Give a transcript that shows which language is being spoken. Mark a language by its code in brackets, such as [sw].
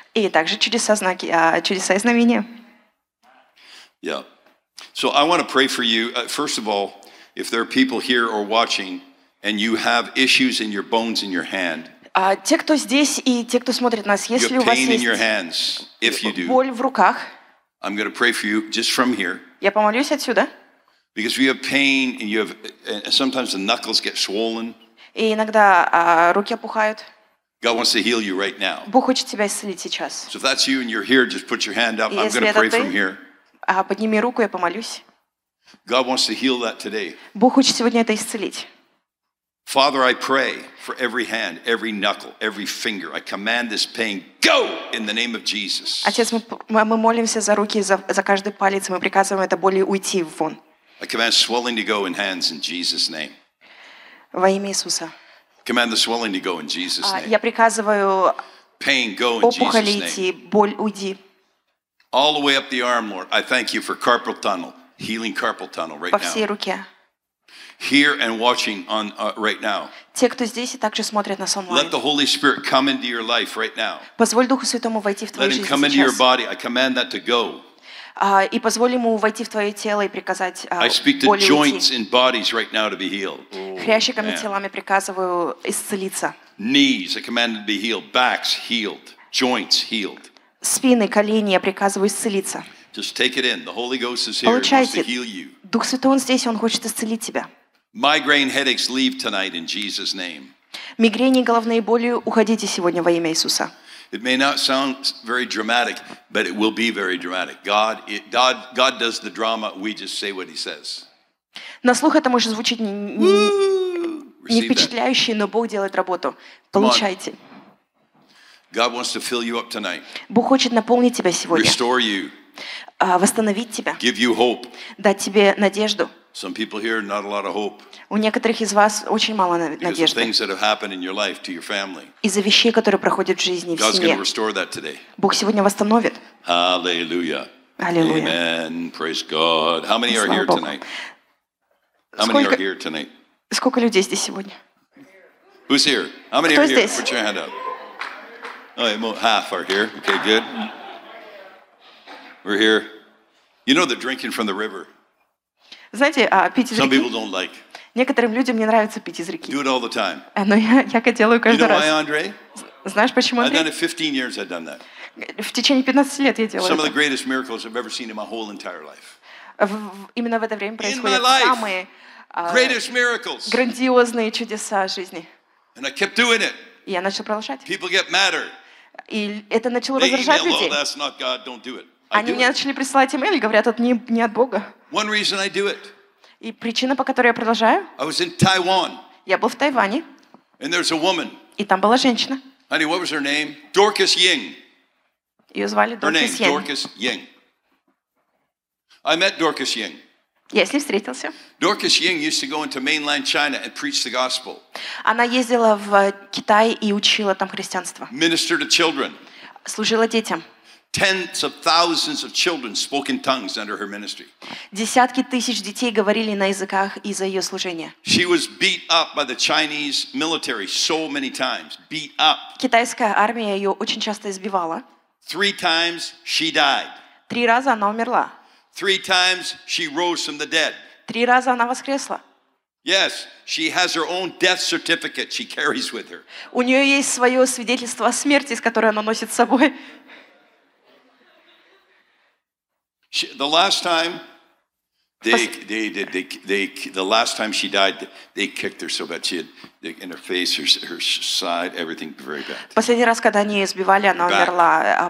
[ru] И также чудеса, знаки, чудеса и знамения. [en] Yeah. So I want to pray for you. First of all, if there are people here or watching and you have issues in your bones in your hand. [ru] Те, кто здесь и те, кто смотрит нас, если у вас есть [en] hands, do, [ru] боль в руках. [en] I'm going to pray for you just from here. [ru] Я помолюсь отсюда. [en] Because we have pain and you have and sometimes the knuckles get swollen. [ru] И иногда руки опухают. [en] God wants to heal you right now. [ru] Бог хочет тебя исцелить сейчас. [en] So if that's you and you're here, just put your hand up. I'm going to pray from here. [ru] Подними руку, я помолюсь. [en] God wants to heal that today. [ru] Бог хочет сегодня это исцелить. [en] Father, I pray for every hand, every knuckle, every finger. I command this pain go in the name of Jesus. [ru] Отец, мы молимся за руки, за каждый палец, мы приказываем это боли уйти вон. [en] I command swelling to go in hands in Jesus' name. [ru] Во имя Иисуса. [en] Command the swelling to go in Jesus' name. [ru] Я приказываю [en] pain go in Jesus' name. [ru] Идти, боль уйди. [en] All the way up the arm, Lord. I thank you for carpal tunnel, healing carpal tunnel right now. [ru] По всей руке. [en] Here and watching on right now. [ru] Те, кто здесь и также смотрят нас онлайн. [en] Let the Holy Spirit come into your life right now. [ru] Позволь Духу Святому войти в твою жизнь сейчас. [en] Let Him come into your body. I command that to go. [ru] И позволь ему войти в твое тело и приказать боли уйти. [en] I speak to joints and bodies right now to be healed. [ru] Хрящиками и телами приказываю исцелиться. [en] Knees, I command to be healed. Backs healed. Joints healed. [ru] Спины, колени, я приказываю исцелиться. [en] Just take it in. The Holy Ghost is here. [ru] Получайте. [en] He wants to heal you. [ru] Дух Святой, Он здесь, Он хочет исцелить тебя. [en] Migraine headaches leave tonight in Jesus' name. [ru] Мигрени и головные боли уходите сегодня во имя Иисуса. [en] It may not sound very dramatic, but it will be very dramatic. God does the drama. We just say what He says. [ru] На слух это может звучить не впечатляюще, но Бог делает работу. Получайте. [en] God wants to fill you up tonight. [ru] Бог хочет наполнить тебя сегодня. [en] Restore you. [ru] Восстановить тебя. [en] Give you hope. [ru] Дать тебе надежду. [en] Some people here not a lot of hope. [ru] У некоторых из вас очень мало надежды. [en] Because of things that have happened in your life to your family. [ru] Из-за вещей, которые проходят в жизни в семье. [en] God's going to restore that today. [ru] Бог сегодня восстановит. [en] Hallelujah. Hallelujah. Amen. Praise God. How many are here tonight? How many are here tonight? [ru] Сколько людей здесь сегодня? [en] Who's here? How many are here? Put your hand up. Oh, half are here. Okay, good. We're here. You know, they're drinking from the river. [ru] Знаете, пить из реки. [en] Some people don't like. [ru] Некоторым людям не нравится пить из реки. [en] Do it all the time. [ru] Но я это делаю каждый раз. [en] You know why, Andre? [ru] Знаешь почему, Андрей? [en] I've done it 15 years. I've done that. [ru] В течение 15 лет я делаю. [en] Some of the greatest miracles I've ever seen in my whole entire life. [ru] Именно в это время происходят самые [en] greatest miracles. [ru] Грандиозные чудеса жизни. [en] And I kept doing it. [ru] Я начал продолжать. [en] People get madder. [ru] И это начало раздражать людей. [en] That's not God. Don't do it. [ru] Они мне начали присылать имейл и говорят, это не от Бога. [en] One reason I do it. [ru] И причина, по которой я продолжаю. [en] I was in Taiwan. [ru] Я был в Тайване. [en] And there's a woman. [ru] И там была женщина. [en] Honey, what was her name? Dorcas Ying. [ru] Ее звали Dorcas Ying. [en] Her name, Dorcas Ying. I met Dorcas Ying. [ru] Я с ней встретился. [en] Dorcas Ying used to go into mainland China and preach the gospel. [ru] Она ездила в Китай и учила там христианство. [en] Minister to children. [ru] Служила детям. [en] Tens of thousands of children spoke in tongues under her ministry. [ru] Десятки тысяч детей говорили на языках из-за ее служения. [en] She was beat up by the Chinese military so many times. Beat up. [ru] Китайская армия ее очень часто избивала. [en] Three times she died. [ru] Три раза она умерла. [en] Three times she rose from the dead. [ru] Три раза она воскресла. [en] Yes, she has her own death certificate she carries with her. [ru] У нее есть свое свидетельство о смерти, которое она носит с собой. [en] The last time the last time she died, they kicked her so bad she had in her face, her side, everything very bad. [ru] Последний раз, когда они избивали, она умерла.